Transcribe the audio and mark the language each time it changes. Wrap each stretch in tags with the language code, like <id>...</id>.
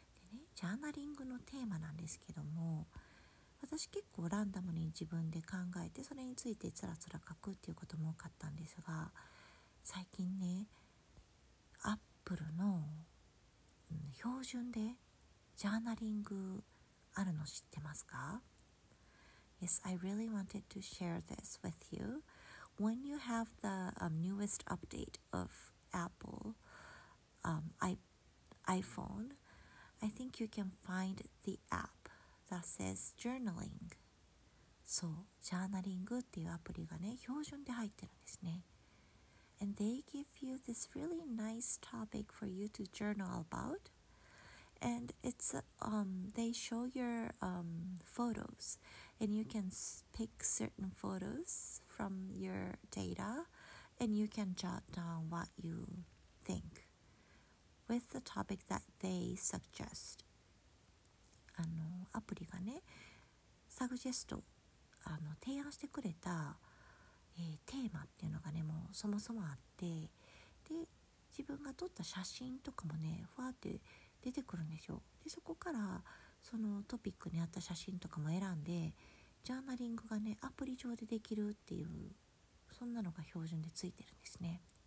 <ja>でね、ジャーナリングのテーマなんですけども、私結構ランダムに自分で考えてそれについてつらつら書くっていうことも多かったんですが、最近ねアップルの、標準でジャーナリングあるの知ってますか？</ja> <en>Yes, I really wanted to share this with you. When you have the newest update of Apple iPhone, I think you can find the app that says journaling.</en> <ja>So, journaling っていうアプリがね、標準で入ってるんですね。</ja> <en>And they give you this really nice topic for you to journal about. And it's, they show your photos, and you can pick certain photos from your data, and you can jot down what you think with the topic that they suggest.</en> <ja>アプリがね、サグジェスト、提案してくれた、テーマっていうのがね、もうそもそもあって、で、自分が撮った写真とかもね、ふわって、出てくるんですよ。で、そこからそのトピックに合った写真とかも選んで、ジャーナリングがね、アプリ上でできるっていう、そんなのが標準でついてるんですね。</ja>